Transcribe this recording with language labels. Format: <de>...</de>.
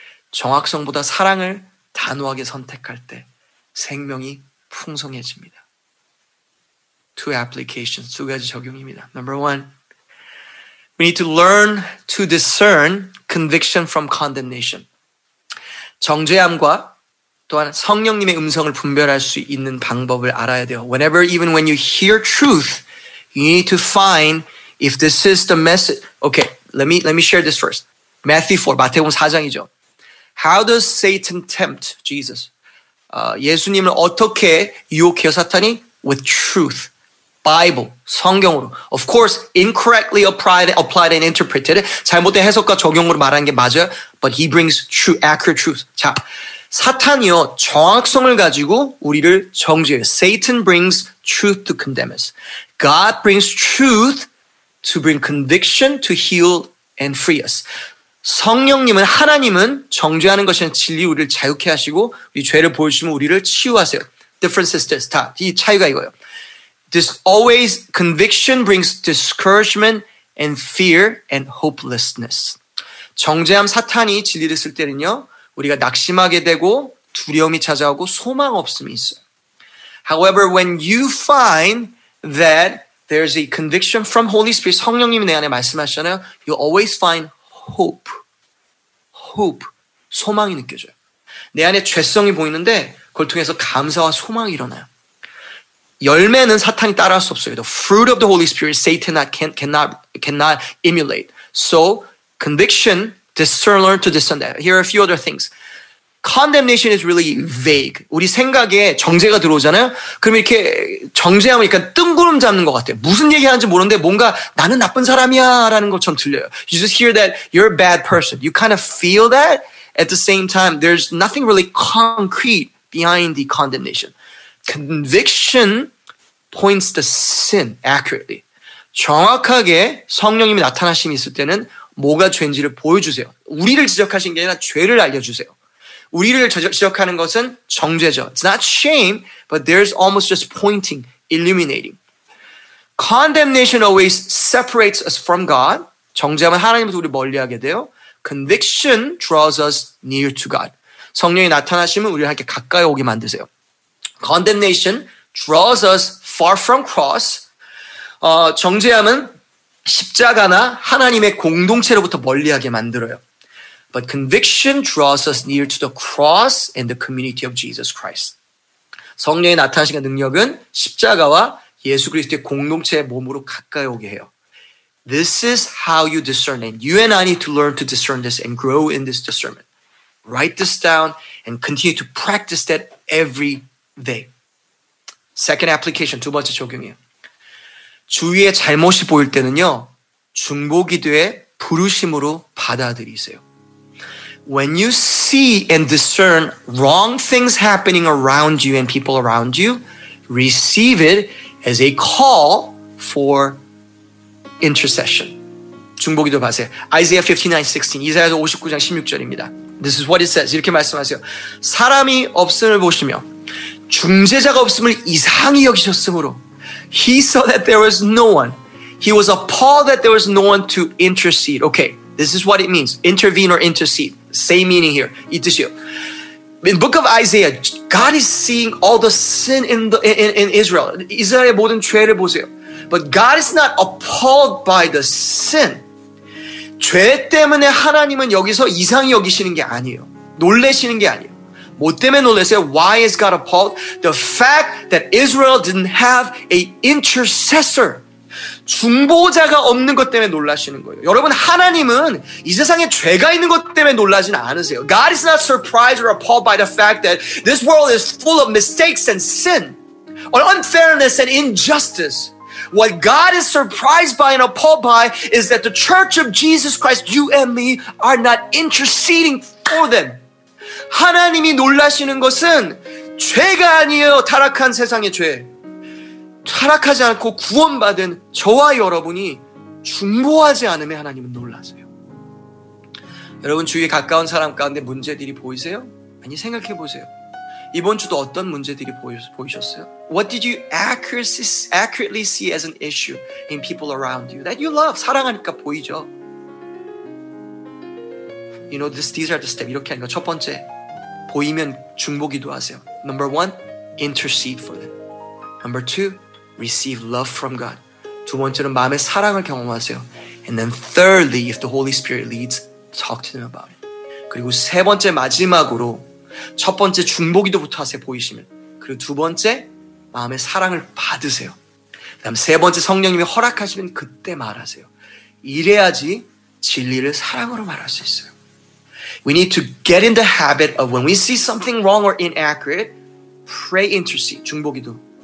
<ko>정확성보다 사랑을 단호하게 선택할 때 생명이 풍성해집니다.</ko> <en>Two applications,</en> <ko>두 가지 적용입니다.</ko> <en>Number one, we need to learn to discern conviction from condemnation.</en> <ko>정죄함과 또한 성령님의 음성을 분별할 수 있는 방법을 알아야 돼요.</ko> <en>Whenever, even when you hear truth, you need to find if this is the message. Okay, let me share this first. Matthew 4,</en> <ko>마태복음 4장이죠.</ko> <en>How does Satan tempt Jesus?</en> <ko>예수님을 어떻게 유혹해요, 사탄이?</ko> <en>With truth, Bible,</en> <ko>성경으로.</ko> <en>Of course, incorrectly applied and interpreted.</en> <ko>잘못된 해석과 적용으로 말하는 게 맞아요.</ko> <en>But he brings true, accurate truth.</en> <ko>자, 사탄이요, 정확성을 가지고 우리를 정죄해요.</ko> <en>Satan brings truth to condemn us. God brings truth to bring conviction, to heal and free us.</en> <ko>성령님은 하나님은 정죄하는 것이 아니라 진리 우리를 자유케 하시고 우리 죄를 보여주시면 우리를 치유하세요.</ko> <en>Difference is this.</en> <ko>다, 이 차이가 이거예요.</ko> <en>This always conviction brings discouragement and fear and hopelessness.</en> <ko>정죄함 사탄이 진리를 쓸 때는요. 우리가 낙심하게 되고 두려움이 찾아오고 소망 없음이 있어요. However, when you find that there's a conviction from Holy Spirit, 성령님이 내 안에 말씀하시잖아요.</ko> <en>You always find hope,</en> <ko>소망이 느껴져요. 내 안에 죄성이 보이는데 그걸 통해서 감사와 소망이 일어나요. 열매는 사탕이 따라할 수 없어요.</ko> <en>The fruit of the Holy Spirit, Satan cannot emulate. So, conviction, discern to discern that. Here are a few other things. Condemnation is really vague.</en> <ko>우리 생각에 정죄가 들어오잖아요. 그럼 이렇게 정죄하면 약간 뜬구름 잡는 것 같아요. 무슨 얘기하는지 모르는데 뭔가 나는 나쁜 사람이야 라는 것처럼 들려요.</ko> <en>You just hear that you're a bad person. You kind of feel that at the same time. There's nothing really concrete behind the condemnation. Conviction points to sin accurately.</en> <ko>정확하게 성령님이 나타나심이 있을 때는 뭐가 죄인지를 보여주세요. 우리를 지적하신 게 아니라 죄를 알려주세요. 우리를 지적하는 것은 정죄죠.</ko> <en>It's not shame, but there's almost just pointing, illuminating. Condemnation always separates us from God.</en> <ko>정죄하면 하나님부터 우리 멀리하게 돼요.</ko> <en>Conviction draws us near to God.</en> <ko>성령이 나타나시면 우리를 함께 가까이 오게 만드세요.</ko> <en>Condemnation draws us far from cross.</en> <ko>정죄함은 십자가나 하나님의 공동체로부터 멀리하게 만들어요.</ko> <en>But conviction draws us near to the cross and the community of Jesus Christ.</en> <ko>성령의 나타나신 능력은 십자가와 예수 그리스도의 공동체의 몸으로 가까이 오게 해요.</ko> <en>This is how you discern it. You and I need to learn to discern this and grow in this discernment. Write this down and continue to practice that every day. Second application,</en> <ko>두 번째 적용이에요. 주위에 잘못이 보일 때는요, 중보기도의 부르심으로 받아들이세요.</ko> <en>When you see and discern wrong things happening around you and people around you, receive it as a call for intercession.</en> <ko>중보기도 하세요.</ko> <en>Isaiah 59:16,</en> <ko>이사야 59:16입니다.</ko> <en>This is what it says.</en> <ko>이렇게 말씀하세요. 사람이 없음을 보시며 중재자가 없음을 이상히 여기셨으므로</ko> <en>He saw that there was no one. He was appalled that there was no one to intercede. Okay, this is what it means. Intervene or intercede. Same meaning here.</en> <ko>이 뜻이요.</ko> <en>In the book of Isaiah, God is seeing all the sin in Israel.</en> <ko>이스라엘의 모든 죄를 보세요.</ko> <en>But God is not appalled by the sin.</en> <ko>죄 때문에 하나님은 여기서 이상히 여기시는 게 아니에요. 놀라시는 게 아니에요. 뭐 때문에 놀라세요?</ko> <en>Why is God appalled? The fact that Israel didn't have an intercessor.</en> <ko>중보자가 없는 것 때문에 놀라시는 거예요. 여러분, 하나님은 이 세상에 죄가 있는 것 때문에 놀라지는 않으세요.</ko> <en>God is not surprised or appalled by the fact that this world is full of mistakes and sin, or unfairness and injustice. What God is surprised by and appalled by is that the Church of Jesus Christ, you and me, are not interceding for them.</en> <ko>하나님이 놀라시는 것은 죄가 아니에요. 타락한 세상의 죄. 타락하지 않고 구원받은 저와 여러분이 중보하지 않음에 하나님은 놀라세요. 여러분 주위에 가까운 사람 가운데 문제들이 보이세요? 아니 생각해 보세요. 이번 주도 어떤 문제들이 보이셨어요?</ko> <en>What did you accurately see as an issue in people around you that you love?</en> <ko>사랑하니까 보이죠?</ko> <en>You know, these are the steps.</en> <ko>이렇게 하니까 첫 번째, 보이면 중보기도 하세요.</ko> <en>Number one, intercede for them. Number two, receive love from God.</en> <ko>두 번째는 마음의 사랑을 경험하세요.</ko> <en>And then thirdly, if the Holy Spirit leads, talk to them about it.</en> <ko>그리고 세 번째, 마지막으로 첫 번째 중보기도부터 하세요, 보이시면. 그리고 두 번째, 마음의 사랑을 받으세요. 그 다음 세 번째, 성령님이 허락하시면 그때 말하세요. 이래야지 진리를 사랑으로 말할 수 있어요.</ko> <en>We need to get in the habit of when we see something wrong or inaccurate, pray intercede,</en> <ko>중보기도.</ko>